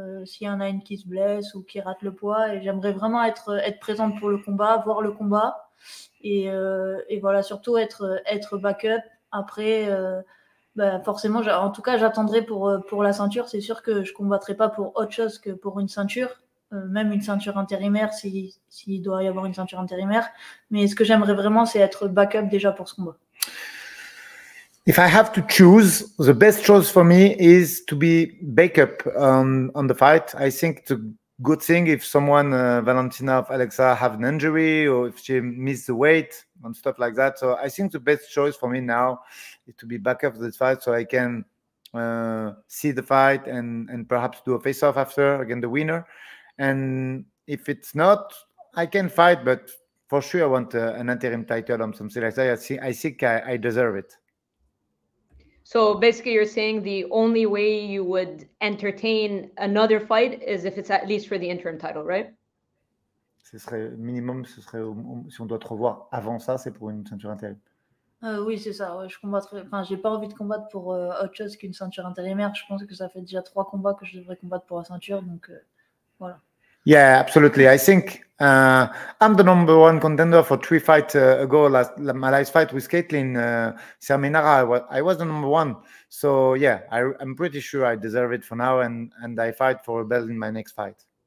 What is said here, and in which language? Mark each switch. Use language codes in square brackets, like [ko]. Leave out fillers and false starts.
[fr] S'il y en a une qui se blesse ou qui rate le poids, et j'aimerais vraiment être présente pour le combat, voir le combat, et voilà, surtout être backup. Après, forcément, en tout cas, j'attendrai pour la ceinture. C'est sûr que je combattrai pas pour autre chose que pour une ceinture. Même une ceinture intérimaire, s'il doit y avoir une ceinture intérimaire. Mais ce que j'aimerais vraiment, c'est être backup déjà pour ce combat. [en] If I have to choose, the best choice for me is to be backup on the fight. I think it's a good thing if someone, Valentina or Alexa, have an injury or if she missed the weight and stuff like that. So I think the best choice for me now is to be backup for this fight so I can see the fight and perhaps do a face-off after against the winner. And if it's not, I can fight, but for sure I want an interim title or something like that. I think I deserve it. So basically you're saying the only way you would entertain another fight is if it's at least for the interim title, right? [fr] Ce serait minimum, ce serait si on doit te revoir avant ça, c'est pour une ceinture intérim. Oui, c'est ça. Ouais, j'ai pas envie de combattre pour autre chose qu'une ceinture intérimaire. Je pense que ça fait déjà 3 combats que je devrais combattre pour la ceinture, donc... Voilà. [en] Yeah, absolutely. I think I'm the number one contender for 3 fights ago. My last fight with Caitlin Serminara, I was the number one. So yeah, I'm pretty sure I deserve it for now, and I fight for a belt in my next fight.